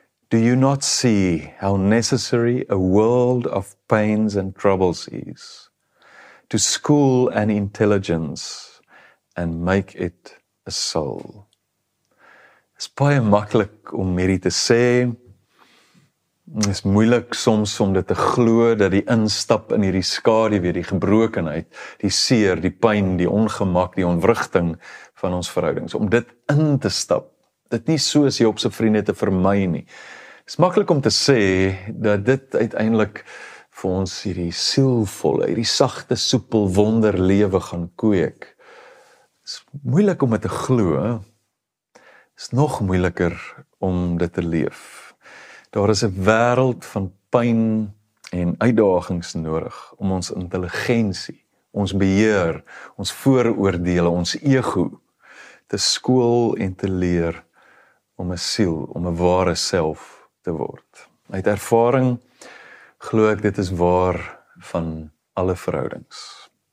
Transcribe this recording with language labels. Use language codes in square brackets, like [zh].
[en] Do you not see how necessary a world of pains and troubles is to school an intelligence and make it a soul?" [af] Dit is baie maklik om hierdie te sê. Dit is moeilik soms om dit te glo, dat die instap in hierdie skaduwee, die gebrokenheid, die seer, die pyn, die ongemak, die ontwrigting van ons verhoudings, om dit in te stap, dit nie soos jy op sy vriende te vermy nie. Dit is maklik om te sê dat dit uiteindelik vir ons hierdie sielvolle, hierdie sagte, soepel, wonderlewe gaan kweek. Dit is moeilik om dit te glo, is nog moeiliker om dit te leef. Daar is 'n wêreld van pyn en uitdagings nodig om ons intelligensie, ons beheer, ons vooroordele, ons ego te skool en te leer om 'n siel, om 'n ware self te word. Uit ervaring glo ek dit is waar van alle verhoudings.